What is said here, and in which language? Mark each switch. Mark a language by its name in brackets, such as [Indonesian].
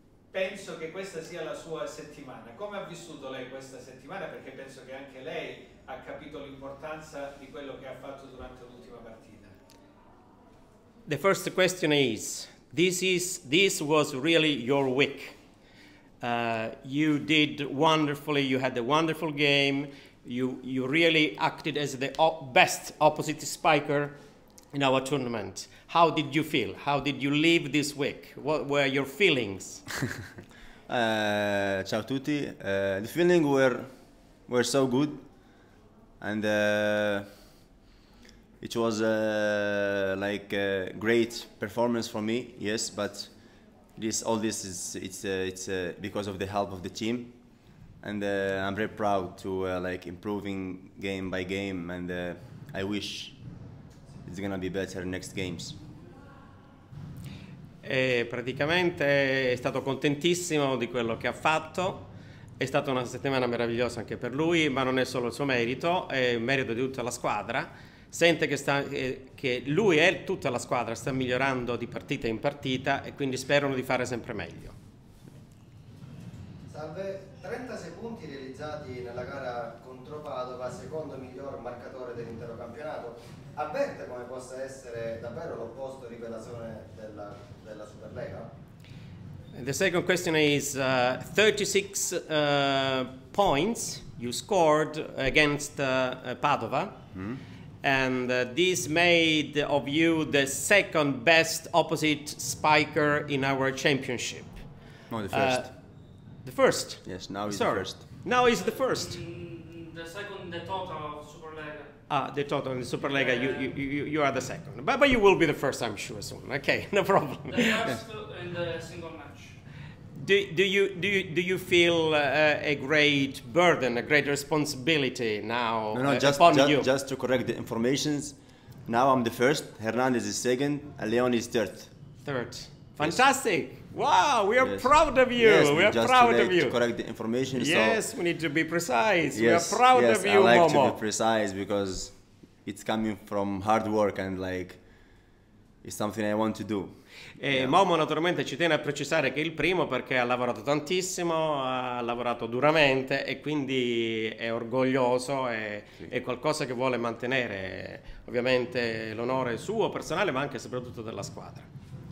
[Italian] Penso che questa sia la sua settimana. Come ha vissuto lei questa settimana? Perché penso che anche lei ha capito l'importanza di quello che ha fatto durante l'ultima partita. [English] The first question is, this was really your week. You did wonderfully, you had a wonderful game, you really acted as the best opposite spiker in our tournament. How did you feel? How did you live this week? What were your feelings? [Italian] ciao a tutti. [English] The feelings were so good, and it was like a great performance for me. Yes, but it's because of the help of the team, and I'm very proud to like improving game by game, and I wish it's gonna be better next games. [Italian] E praticamente è stato contentissimo di quello che ha fatto. È stata una settimana meravigliosa anche per lui, ma non è solo il suo merito, è il merito di tutta la squadra. Sente che lui e tutta la squadra sta migliorando di partita in partita, e quindi sperano di fare sempre meglio. Salve, 30 secondi realizzati nella gara contro Padova, secondo miglior marcatore dell'intero campionato. Avverte come possa essere davvero l'opposto rivelazione della Superlega? [English] The second question is 36 points you scored against Padova. And this made of you the second best opposite spiker in our championship. No, the first. The first? Yes, now he's the first. Now he's the first. The second, the total of Superlega. Ah, the total in the Superlega, yeah. you are the second. But you will be the first, I'm sure, soon. Okay, no problem. The first in the single match. Do you feel a great burden, a great responsibility now upon you? No, just to correct the informations. Now I'm the first, Hernandez is second, and Leon is third. Third. Fantastic. Yes. Wow, we are proud of you. Yes, we are proud of you. To correct the information. Yes, so we need to be precise. Yes, we are proud yes, of you, Momo. I like Momo. To be precise because it's coming from hard work and like it's something I want to do. [Italian] Momo naturalmente ci tiene a precisare che è il primo perché ha lavorato tantissimo, ha lavorato duramente e quindi è orgoglioso e sì. È qualcosa che vuole mantenere ovviamente l'onore suo personale ma anche e soprattutto della squadra.